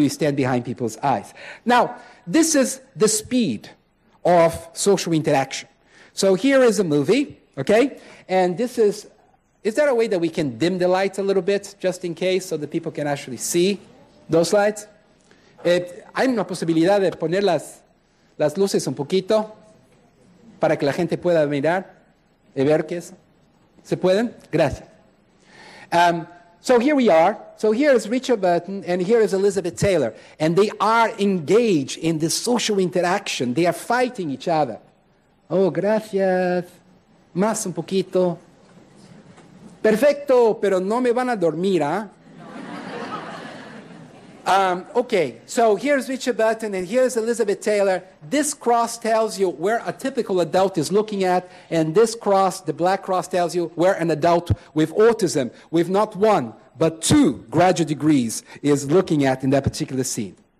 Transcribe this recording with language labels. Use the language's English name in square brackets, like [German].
[English] We stand behind people's eyes. Now, this is the speed of social interaction. So here is a movie, okay? And this is there a way that we can dim the lights a little bit, just in case, so that people can actually see those lights? [Spanish] ¿Hay una posibilidad de poner las luces un poquito para que la gente pueda mirar y ver qué es? ¿Se pueden? Gracias. [English] So here we are. So here is Richard Burton and here is Elizabeth Taylor. And they are engaged in this social interaction. They are fighting each other. Oh, gracias. [Spanish] Más un poquito. Perfecto, pero no me van a dormir, ¿eh? [English] Okay, so here's Richard Burton and here's Elizabeth Taylor. This cross tells you where a typical adult is looking at, and this cross, the black cross, tells you where an adult with autism, with not one, but two graduate degrees, is looking at in that particular scene.